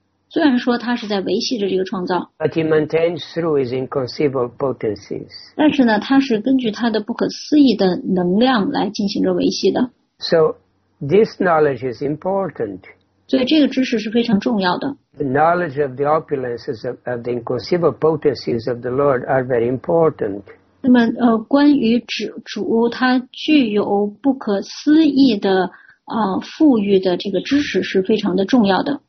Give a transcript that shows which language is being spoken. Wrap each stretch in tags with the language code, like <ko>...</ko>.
<zh>虽然说他是在维系着这个创造。</zh> <en>But he maintains through his inconceivable potencies.</en> <zh>但是呢，他是根据他的不可思议的能量来进行着维系的。</zh> <en>So this knowledge is important.</en> <zh>所以这个知识是非常重要的。</zh> <en>The knowledge of the opulences of the inconceivable potencies of the Lord are very important.</en> <zh>那么关于主他具有不可思议的富裕的这个知识是非常的重要的。</zh>